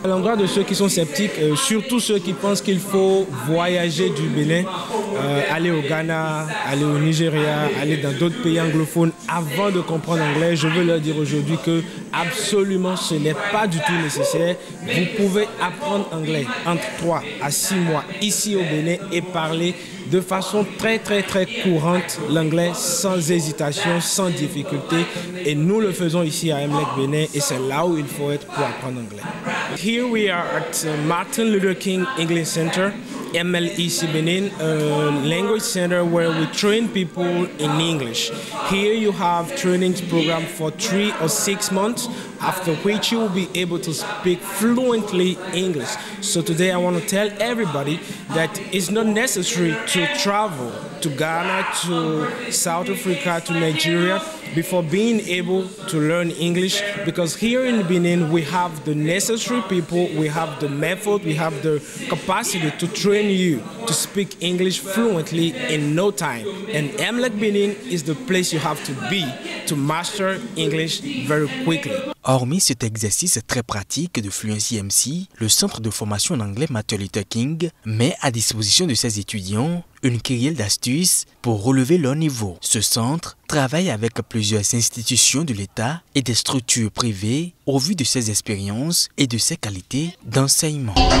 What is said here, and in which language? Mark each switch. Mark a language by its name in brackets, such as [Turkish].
[French] À l'endroit de ceux qui sont sceptiques, surtout ceux qui pensent qu'il faut voyager du Bénin, aller au Ghana, aller au Nigeria, aller dans d'autres pays anglophones avant de comprendre l'anglais, je veux leur dire aujourd'hui que absolument ce n'est pas du tout nécessaire. Vous pouvez apprendre anglais entre 3 à 6 mois ici au Bénin et parler de façon très, très, très courante l'anglais sans hésitation, sans difficulté. Et nous le faisons ici à MLEC Bénin et c'est là où il faut être pour apprendre l'anglais. [English] Here we are at Martin Luther King English Center, MLEC Benin, a language center where we train people in English. Here you have training program for 3 or 6 months, after which you will be able to speak fluently English. So today I want to tell everybody that it's not necessary to travel to Ghana, to South Africa, to Nigeria, before being able to learn English, because here in Benin, we have the necessary people, we have the method, we have the capacity to train you to speak English fluently in no time. And MLEC Benin is the place you have to be to master English very quickly. [French] Hormis cet exercice très pratique de Fluency MC, le centre de formation en anglais Martin Luther King met à disposition de ses étudiants une kyrielle d'astuces pour relever leur niveau. Ce centre travaille avec plusieurs institutions de l'État et des structures privées au vu de ses expériences et de ses qualités d'enseignement.